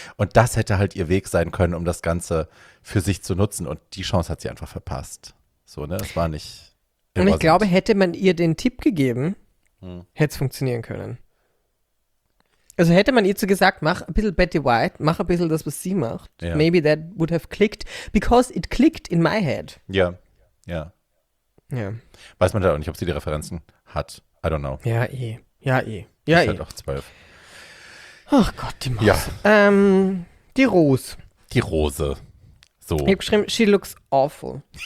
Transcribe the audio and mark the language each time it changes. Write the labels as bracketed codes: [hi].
[de] Und das hätte halt ihr Weg sein können, um das Ganze für sich zu nutzen und die Chance hat sie einfach verpasst. So, ne? Es war nicht immer. Und ich glaube, hätte man ihr den Tipp gegeben, hätte es funktionieren können. Also hätte man ihr zu gesagt, mach ein bisschen Betty White, mach ein bisschen das, was sie macht. [en] Yeah. Maybe that would have clicked, because it clicked in my head. [de] Ja, ja. Ja. Weiß man da auch nicht, ob sie die Referenzen hat. [en] I don't know. [de] Ja, eh. Ja, eh. Ja, ist halt auch 12. Ach Gott, die Maus. Ja. Die Rose. Die Rose. So. Ich hab geschrieben, [en] she looks awful.